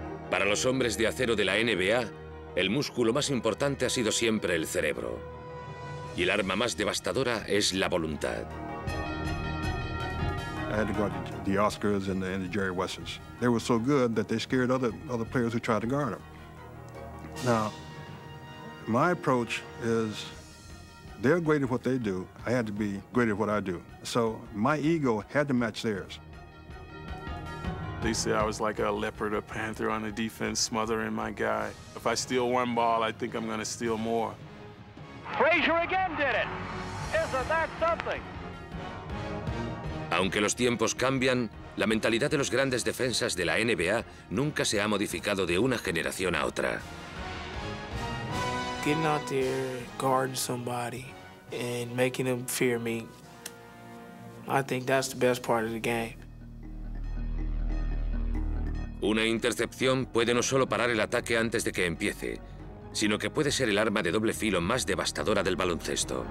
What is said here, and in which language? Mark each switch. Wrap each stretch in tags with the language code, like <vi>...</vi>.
<es>Para los hombres de acero de la NBA, el músculo más importante ha sido siempre el cerebro. Y el arma más devastadora es la voluntad.</es> <en>I had to guard the Oscars and the Jerry Westers. They were so good that they scared other players who tried to guard them. Now, my approach is they're great at what they do. I had to be great at what I do. So my ego had to match theirs. They say I was like a leopard or panther on the defense, smothering my guy. If I steal one ball, I think I'm going to steal more. Frazier again did it. Isn't that something?</en> <es>Aunque los tiempos cambian, la mentalidad de los grandes defensas de la NBA nunca se ha modificado de una generación a otra.</es> <en>Getting out there, guarding somebody, and making them fear me, I think that's the best part of the game.</en> <es>Una intercepción puede no solo parar el ataque antes de que empiece, sino que puede ser el arma de doble filo más devastadora del baloncesto.</es>